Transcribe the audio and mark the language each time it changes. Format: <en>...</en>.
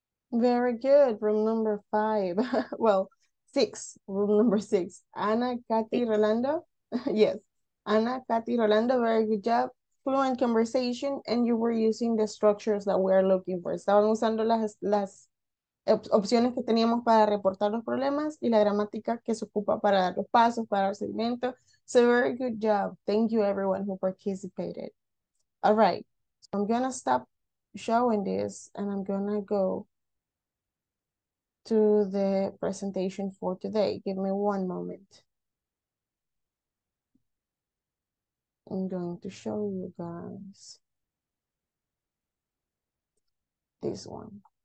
<en>Very good. Room number five. Well, six. Room number six. Ana, Katy, Rolando. Yes. Ana, Katy, Rolando. Very good job. Fluent conversation. And you were using the structures that we are looking for.</en> <es>Estaban usando las opciones que teníamos para reportar los problemas y la gramática que se ocupa para dar los pasos, para dar seguimiento.</es> <en>So very good job. Thank you everyone who participated. All right. So I'm going to stop showing this and I'm going to go to the presentation for today. Give me one moment. I'm going to show you guys this one.</en>